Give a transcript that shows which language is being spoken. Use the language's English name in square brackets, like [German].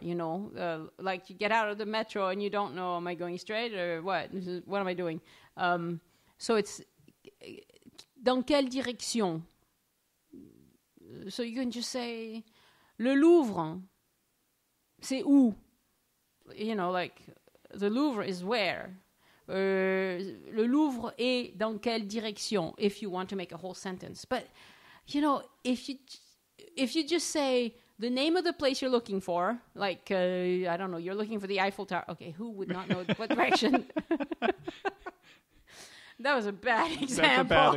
[English] You know, like you get out of the metro and you don't know, am I going straight or what? What am I doing? So it's [French] dans quelle direction? [English] So you can just say le Louvre. [French] C'est où? [English] You know, like, the Louvre is where? [French] Le Louvre est dans quelle direction? [English] If you want to make a whole sentence. But, you know, if you just say the name of the place you're looking for, like, I don't know, you're looking for the Eiffel Tower. Okay, who would not know what direction? That was a bad example.